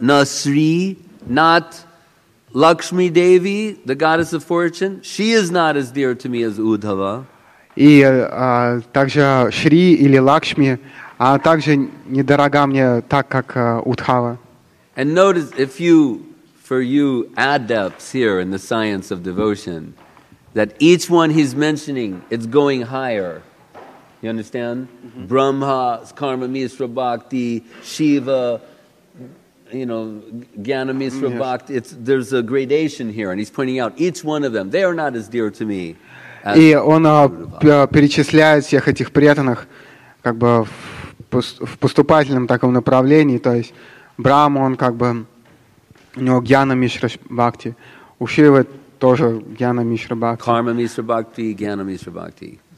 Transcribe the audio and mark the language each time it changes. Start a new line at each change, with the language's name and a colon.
English: Na Sri, not Lakshmi Devi, the goddess of fortune. She is not as dear to me as Uddhava.
Russian: И также Шри или Лакшми, а также недорога мне так, как Удхава.
English: And notice, if you, for you adepts here in the science of devotion, that each one he's mentioning, it's going higher. You understand? Mm-hmm. Brahma, Karma Misra Bhakti, Shiva, you know, Gyana Misra Bhakti. It's, there's a gradation here, and he's pointing out each one of them. They are not as dear to me.
Russian: И он перечисляет всех этих преданных как бы в поступательном таком направлении, то есть Брахма, он как бы, у него Гьяна Мишра Бхакти, у Шивы тоже Гьяна Мишра Бхакти. Карма Мишра Бхакти, Гьяна Мишра Бхакти.